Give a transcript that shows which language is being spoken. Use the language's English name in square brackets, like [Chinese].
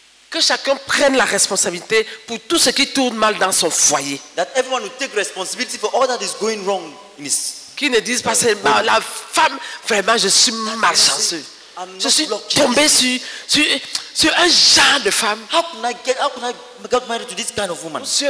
[French] Que chacun prenne la responsabilité pour tout ce qui tourne mal dans son foyer. [English] That everyone will take responsibility for all that is going wrong in his. [French] Qui ne dise pas c'est bah, la femme vraiment je suis malchanceux. Je suis tombé sur un genre de femme. [English] How can I get married to this kind of woman?